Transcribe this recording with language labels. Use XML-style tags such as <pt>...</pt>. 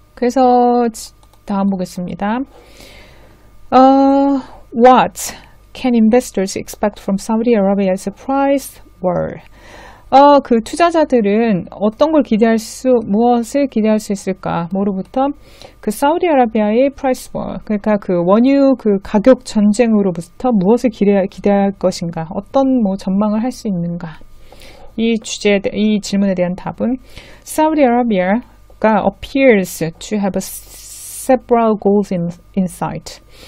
<ko>그래서 다음 보겠습니다.</ko> <en>What can investors expect from Saudi Arabia's price war?</en> <ko>그 투자자들은 어떤 걸 무엇을 기대할 수 있을까? 뭐로부터? 그 사우디아라비아의 price war, 그러니까 그 원유 그 가격 전쟁으로부터 무엇을 기대할 것인가? 어떤 뭐 전망을 할수 있는가? 이 질문에 대한 답은 사우디아라비아가</ko> <en>appears to have several goals in sight.</en>